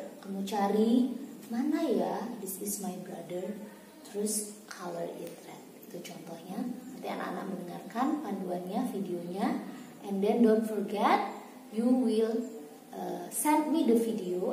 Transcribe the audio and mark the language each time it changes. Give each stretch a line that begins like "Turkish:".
Indonesian: Kamu cari mana ya,
English: this is my brother.
Indonesian: Terus
English: color it red.
Indonesian: Itu contohnya. Nanti anak-anak mendengarkan panduannya, videonya.
English: And then don't forget, you will send me the video.